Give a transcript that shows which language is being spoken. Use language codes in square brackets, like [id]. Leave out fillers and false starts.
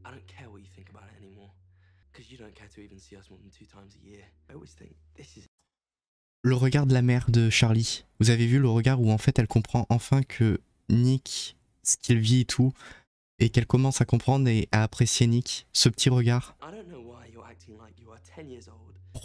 [en] I don't care what you think about it anymore. Because you don't care to even see us more than two times a year. I always think this is. [fr] Le regard de la mère de Charlie. Vous avez vu le regard où en fait elle comprend enfin que Nick, ce qu'il vit et tout, et qu'elle commence à comprendre et à apprécier Nick. Ce petit regard. [en] I don't know why you're acting like you are 10 years old.